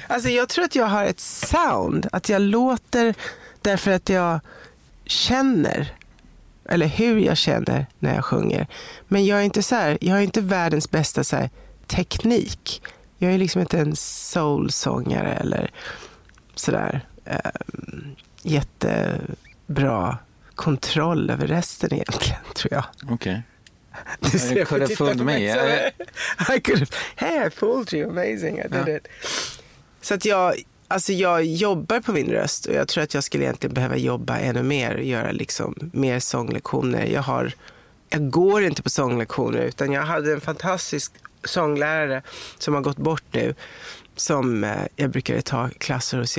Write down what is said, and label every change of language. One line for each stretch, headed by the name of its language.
Swedish: Alltså jag tror att jag har ett sound, att jag låter därför att jag känner, eller hur jag känner när jag sjunger. Men jag är inte så här, jag har inte världens bästa så här teknik. Jag är liksom inte en soulsångare eller så där jättebra kontroll över resten egentligen, tror jag. Okej. Okay. Du ser,
English: you could have fooled me. I could have, hey, I fooled you, amazing, I did it.
Swedish: Så att jag, Alltså jag jobbar på min röst och jag tror att jag skulle egentligen behöva jobba ännu mer och göra liksom mer sånglektioner. Jag går inte på sånglektioner, utan jag hade en fantastisk sånglärare som har gått bort nu, som jag brukar ta klasser hos.